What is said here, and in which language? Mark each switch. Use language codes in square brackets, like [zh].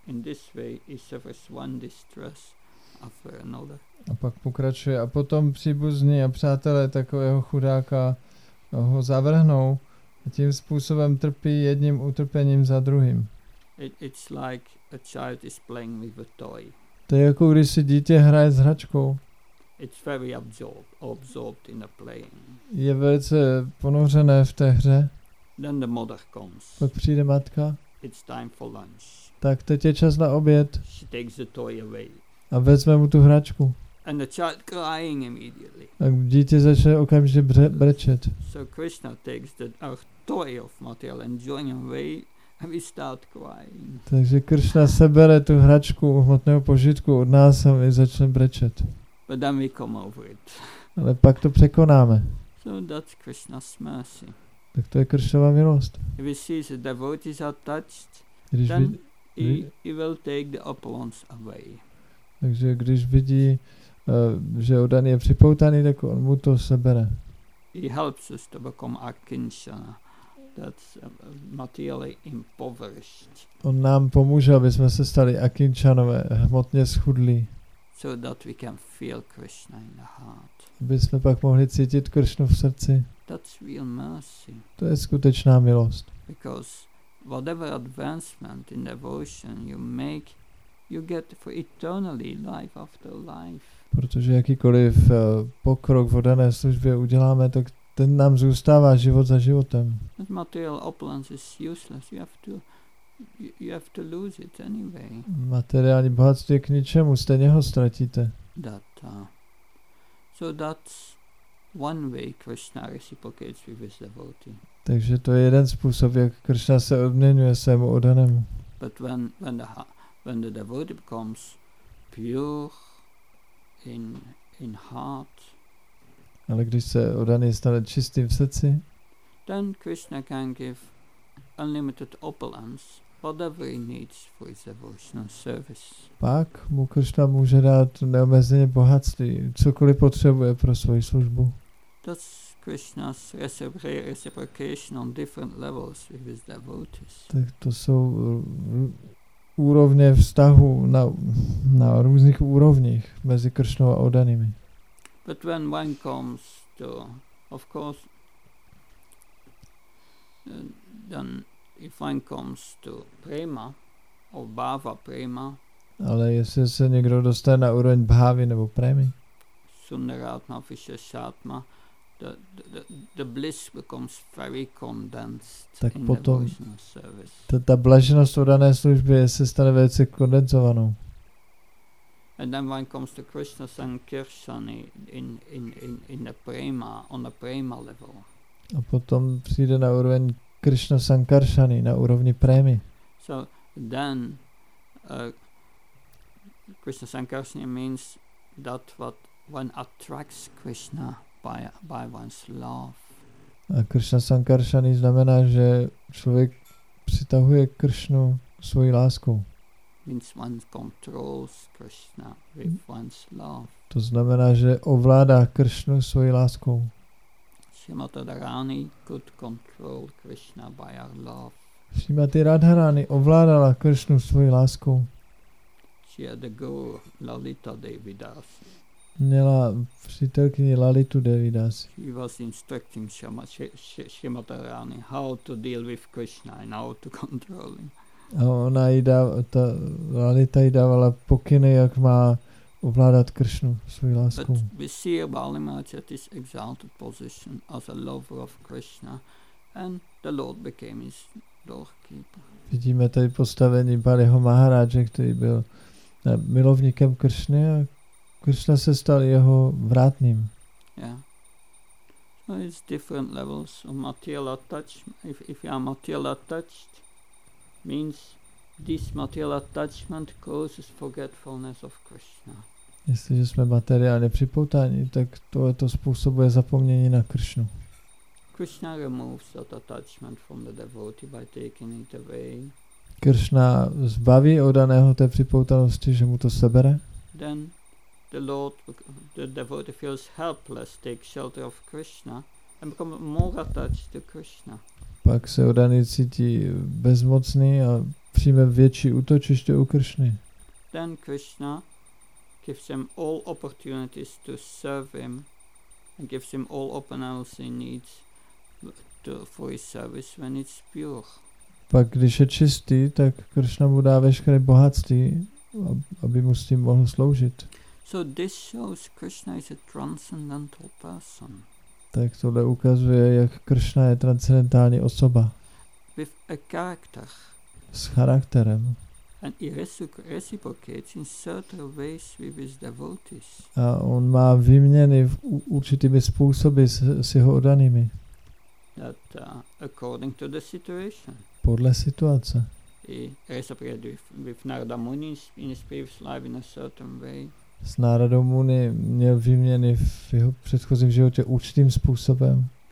[en] In this way he suffers one distress after another. [cs] A pak pokračuje, a potom příbuzní a přátelé takového chudáka ho zavrhnou a tím způsobem trpí jedním utrpením za druhým. [en] It's like a child is playing with a toy. [cs] To je jako když si dítě hraje s hračkou. [en] It's very absorbed in the playing. [cs] Je velice ponořené v té hře. [en] Then the mother comes. [cs] Pak přijde matka. [en] It's time for lunch. [cs] Tak teď je čas na oběd. [en] She takes the toy away. [cs] A vezme mu tu hračku. [en] And the child crying immediately. [cs] A dítě začne okamžitě brečet. [en] So Krishna takes our toy of material enjoyment away. We start crying. [cs] Takže Krishna sebere tu hračku hmotného požitku od nás a my začne brečet. [en] But then we come over it. [cs] Ale pak to překonáme. [en] So that's Krishna's mercy. [cs] Tak to je Krishnova milost. [en] If he sees the devotee is attached, then he will take the upper ones away. [cs] Takže když vidí, že oddaný je připoutaný, tak on mu to sebere. [en] He helps us to become akinshana. That's materially impoverished. [cs] On nám pomůže, aby jsme se stali akinčanové, hmotně schudlí. [en] So that we can feel Krishna in the heart. [cs] Aby jsme pak mohli cítit Krishnu v srdci. [en] That's real mercy. [cs] To je skutečná milost. [en] Because whatever advancement in devotion you make, you get for eternally life after life. [cs] Protože jakýkoliv pokrok v dané službě uděláme, tak ten nám zůstává život za životem. [en] That material opulence is useless. You have to You have to lose it anyway. [cs] Materiální bohatství je k ničemu, stejně ho ztratíte. [en] That, so that's one way Krishna reciprocates with his devotee. [cs] Takže to je jeden způsob, jak Krishna se odměňuje svému oddanému. [en] But when the devotee becomes pure in heart, [cs] ale když se oddaný stane čistým v srdci, [en] then Krishna can give unlimited opulence. Whatever he needs for his devotional service. [cs] Pak mu Krishna může dát neomezené bohatství, cokoliv potřebuje pro svoji službu. [en] That's Krishna's reciprocation on different levels with his devotees. [cs] Tak to jsou úrovně vztahu na různých úrovních mezi Krishnou a oddanými. [en] But when one comes to, of course, then if one comes to prema or bhava prema, [cs] ale jestli se někdo dostane na úroveň bhavy nebo premy, [en] sunaratma vishesatma, the bliss becomes very condensed. [cs] Tak [en] in [cs] potom [en] devotional service. [cs] Ta blaženost o dané službě se stane velice kondenzovanou. [en] And then one comes to Krishna sankirtan in the prema, on the prema level. [cs] A potom přijde na úroveň Krishna Sankarsani, na úrovni prémy. [en] So then Krishna Sankarsani means that what one attracts Krishna by one's love. [cs] A Krishna Sankarsani znamená, že člověk přitahuje Krishnu svojí láskou. [en] Means one controls Krishna with one's love. [cs] To znamená, že ovládá Krishnu svojí láskou. [en] Srimati Radharani could control Krishna by her love. [cs] Srimati Radharani ovládala Krishnu svojí láskou. [en] She had the guru Lalita Devidas. [cs] Měla přítelkyni Lalitu Devidas. [en] She was instructing Srimati Radharani how to deal with Krishna and how to control him. [cs] A ona jí ta Lalita jí dávala pokyny, jak má ovládat Krishnu svojí láskou. [en] But we see Bali Maharaj at his exalted position as a lover of Krishna and the Lord became his doorkeeper. [cs] Vidíme tady postavení Baliho Maharaje, který byl milovníkem Krishny a Krishna se stal jeho vrátným. [en] Yeah. So it's different levels of material attachment. If you are material attached, means this material attachment causes forgetfulness of Krishna. [cs] Jestliže jsme materiálně připoutáni, tak to způsobuje zapomnění na Krishnu. [en] Krishna removes that attachment from the devotee by taking it away. [cs] Krishna zbaví oddaného té připoutanosti, že mu to sebere. [en] Then the devotee feels helpless, takes shelter of Krishna and becomes more attached to Krishna. [cs] Pak se oddaný cítí bezmocný a přijme větší útočiště u Krishny. [en] Then Krishna gives him all opportunities to serve him and gives him all openness he needs for his service when it's pure. [cs] Pak když je čistý, tak Krishna mu dá veškeré bohatství, aby mu s tím mohl sloužit. [en] So this shows Krishna is a transcendental person. [cs] Tak tohle ukazuje, jak Krishna je transcendentální osoba. [en] With a character. [cs] S charakterem. [en] And he reciprocates in certain ways with his devotees. [cs] A on má výměny v určitými způsoby s jeho oddanými. [en] That according to the situation. [cs] Podle situace. [en] He reciprocated with Narada Muni in his previous life in a certain way. [cs] S Narada Muni měl výměny v jeho předchozím životě určitým způsobem.